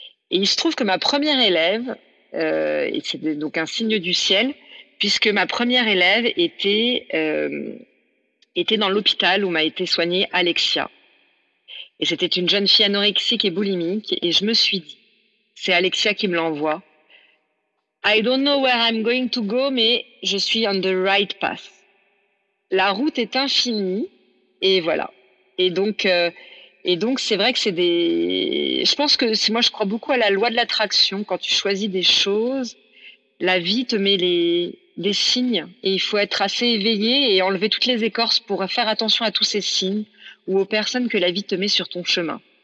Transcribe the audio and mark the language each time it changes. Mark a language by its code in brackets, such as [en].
[fr] Et il se trouve que ma première élève, et c'est donc un signe du ciel, puisque ma première élève était dans l'hôpital où m'a été soignée Alexia. Et c'était une jeune fille anorexique et boulimique. Et je me suis dit, c'est Alexia qui me l'envoie. [en] I don't know where I'm going to go, [fr] mais je suis [en] on the right path. [fr] La route est infinie, et voilà. Et donc, c'est vrai que c'est des. Je pense que moi, je crois beaucoup à la loi de l'attraction. Quand tu choisis des choses, la vie te met des signes, et il faut être assez éveillé et enlever toutes les écorces pour faire attention à tous ces signes ou aux personnes que la vie te met sur ton chemin.